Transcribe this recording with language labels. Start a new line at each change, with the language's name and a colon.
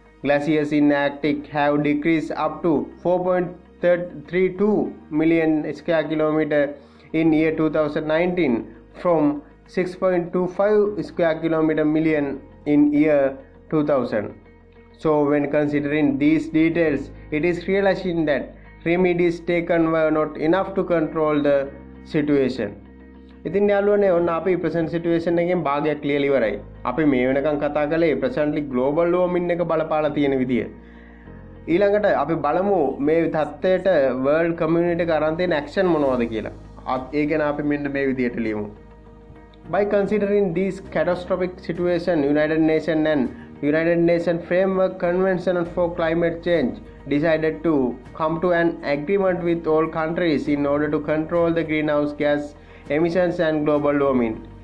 English: Glaciers in the Arctic have decreased up to 4.32 million sqkm in year 2019 from 6.25 million sqkm in year 2000. So when considering these details, it is realizing that remedies taken were not enough to control the situation.
Sinhala: ඉතින් යාළුවනේ ඔන්න අපි present situation එකෙන් භාගයක් ලියලා ඉවරයි. අපි මේ වෙනකන් කතා කළේ ප්‍රසන්ට්ලි ග්ලෝබල් වෝමින් එක බලපාලා තියෙන විදිය. ඊළඟට අපි බලමු මේ තත්ත්වයට වර්ල්ඩ් කමියුනිටි කරන් තියෙන ඇක්ෂන් මොනවද කියලා. ඒ ගැන අපි මෙන්න මේ විදියට ලියමු.
English: By considering this catastrophic situation, United Nations and United Nations Framework Convention for Climate Change decided to come to an agreement with all countries in order to control the greenhouse gas emissions and global warming.